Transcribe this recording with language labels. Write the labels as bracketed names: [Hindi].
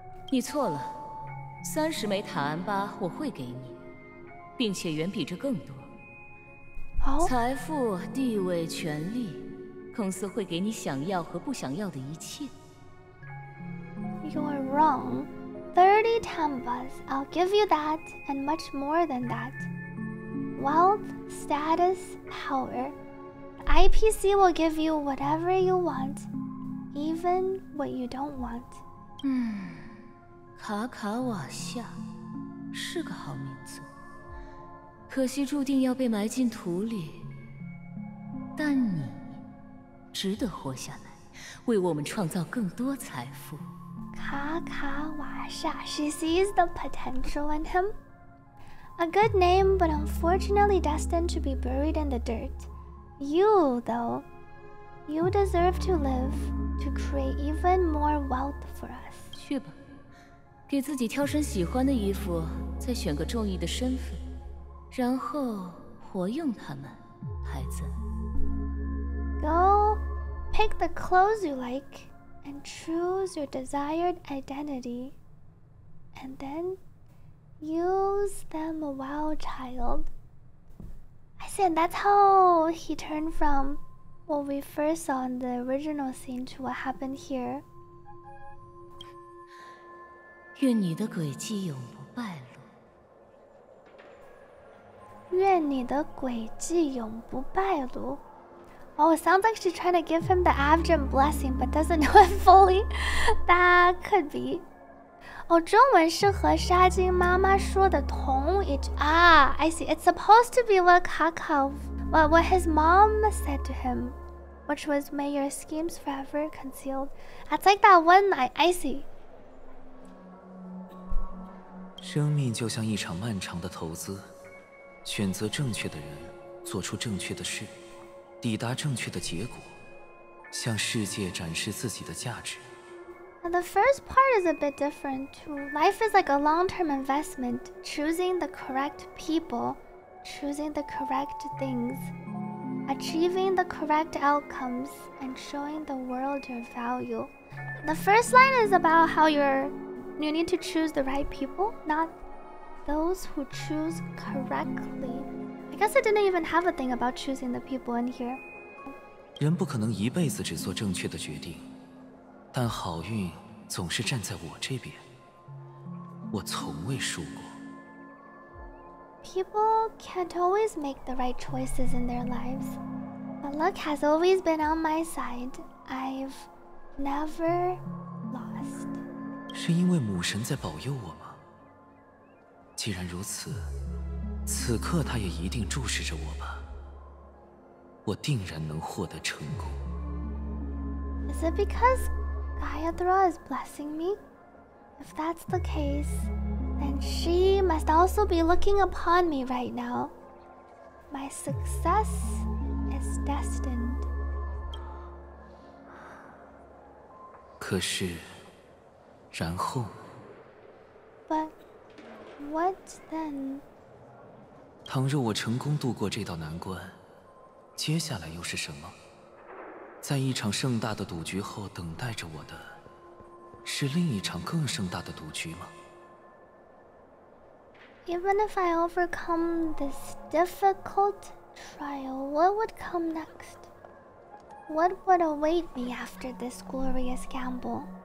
[Chinese] 你错了，30枚塔安巴我会给你，并且远比这更多。好，财富、地位、权力，公司会给你想要和不想要的一切。 [English] You're wrong. 30 tambas, I'll give you that and much more than that. Wealth, status, power. IPC will give you whatever you want, even what you don't want. [Chinese] 卡卡瓦夏是个好名字，可惜注定要被埋进土里，但你值得活下来，为我们创造更多财富。 [English] 卡卡瓦夏， she sees the potential in him. A good name, but unfortunately destined to be buried in the dirt. You, though, you deserve to live to create even more wealth for us. [Chinese] 去吧，给自己挑身喜欢的衣服，再选个中意的身份，然后活用他们，孩子。 Go pick the clothes you like and choose your desired identity, and then use them while child. [English] I said that's how he turned from what we first saw in the original scene to what happened here. [Chinese] 愿你的诡计永不败露。愿你的诡计永不败露。 [English] Oh, it sounds like she's trying to give him the Avgen blessing, but doesn't know it fully. That could be. [Chinese] Oh, 中文是和沙金妈妈说的同一句。 [English] Ah, I see. It's supposed to be what what his mom said to him, which was, may your schemes forever concealed. That's like that one night. I see. [Chinese] 生命就像一场漫长的投资，选择正确的人，做出正确的事，抵达正确的结果，向世界展示自己的价值。 [English] Now, the first part is a bit different too. Life is like a long-term investment, choosing the correct people, choosing the correct things, achieving the correct outcomes, and showing the world your value. The first line is about how you need to choose the right people, not those who choose correctly. I guess I didn't even have a thing about choosing the people in here. [Chinese] 人不可能一辈子只做正确的决定，但好运总是站在我这边。我从未输过。 [English] People can't always make the right choices in their lives, but luck has always been on my side. I've never lost. [Chinese] 是因为母神在保佑我吗？既然如此，此刻她也一定注视着我吧。我定然能获得成功。 [English] Is it because Gayathra is blessing me? If that's the case, then she must also be looking upon me right now. My success is destined. [Chinese] 可是然后 [English] But what then? [Chinese] 倘若我成功度过这道难关，接下来又是什么？在一场盛大的赌局后等待着我的，是另一场更盛大的赌局吗？ [English] Even if I overcome this difficult trial, what would come next? What would await me after this glorious gamble?